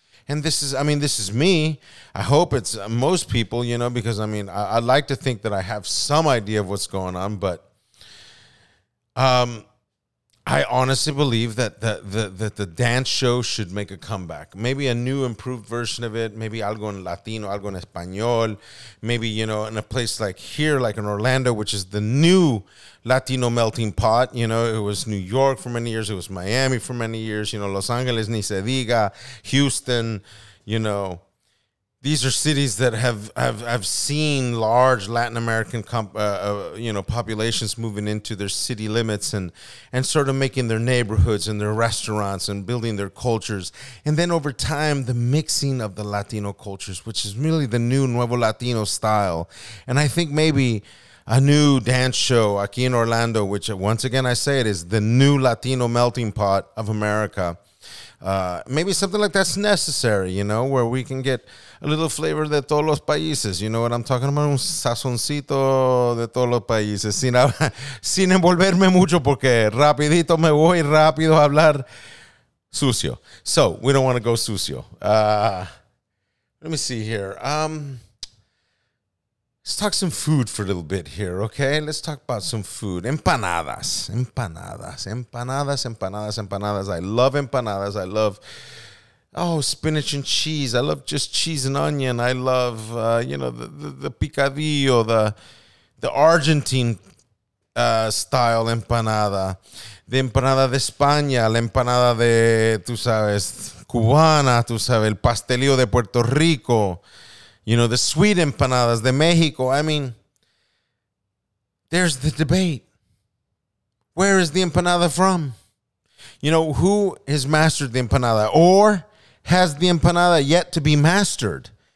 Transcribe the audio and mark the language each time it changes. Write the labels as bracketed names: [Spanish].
[English] And this is me. I hope it's most people, you know, because, I mean, I'd like to think that I have some idea of what's going on. But I honestly believe that the dance show should make a comeback. Maybe a new improved version of it. Maybe [Spanish] algo en Latino, algo en Español. [English] Maybe, you know, in a place like here, like in Orlando, which is the new Latino melting pot. You know, it was New York for many years. It was Miami for many years. You know, Los Angeles, [Spanish] ni se diga, [English] Houston, you know. These are cities that have seen large Latin American populations moving into their city limits and sort of making their neighborhoods and their restaurants and building their cultures. And then over time, the mixing of the Latino cultures, which is really the new Nuevo Latino style. And I think maybe a new dance show [Spanish] aquí [English] in Orlando, which once again, I say it, is the new Latino melting pot of America. Maybe something like that's necessary, you know, where we can get a little flavor [Spanish] de todos los países. [English] You know what I'm talking about? [Spanish] Un sazoncito de todos los países. Sin envolverme mucho porque rapidito me voy rápido a hablar sucio. [English] So, we don't want to go [Spanish] sucio. [English] Let me see here. Let's talk some food for a little bit here, okay? Let's talk about some food. Empanadas. Empanadas. Empanadas, empanadas, empanadas. I love empanadas. I love, oh, spinach and cheese. I love just cheese and onion. I love, you know, the picadillo, the Argentine style empanada. The [Spanish] empanada de España, la empanada de, tú sabes, cubana, tú sabes, el pastelillo de Puerto Rico. [English] You know, the sweet empanadas [Spanish] de Mexico. [English] I mean, there's the debate. Where is the empanada from? You know, who has mastered the empanada? Or has the empanada yet to be mastered?